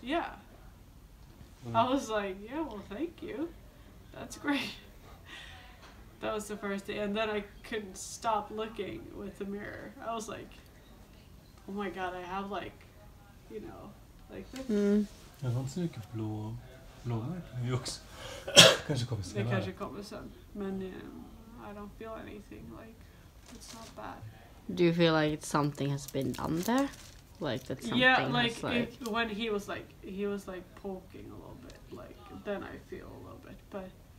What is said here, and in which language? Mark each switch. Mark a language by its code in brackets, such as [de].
[en] Yeah. Mm. I was like, yeah, well, thank you. That's great. That was the first day. And then I couldn't stop looking with the mirror. I was like, oh my god, I have like, you know, like this. [sv] Jag har inte så mycket blåmärken. Jag också. Kanske kommer sen. Det kanske kommer sen. Men [en] I don't feel anything. Like, it's not bad. Do you feel like something has been done there? Like that something Yeah, like, has, like... It, when he was like poking a little bit, like, then I feel a little bit, but...